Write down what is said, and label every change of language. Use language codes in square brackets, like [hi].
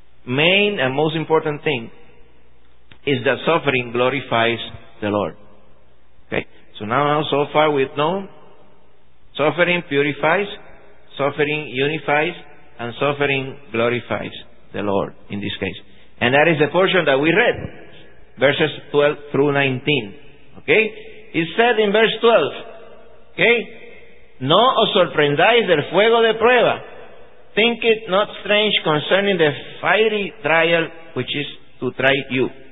[en] main and most important thing is that suffering glorifies the Lord. Okay, so now so far we've known suffering purifies, suffering unifies, and suffering glorifies the Lord in this case. And that is the portion that we read, verses 12 through 19. Okay, it said in verse 12, okay, [es] no os sorprendáis del fuego de prueba. [en] Think it not strange concerning the fiery trial which is to try you.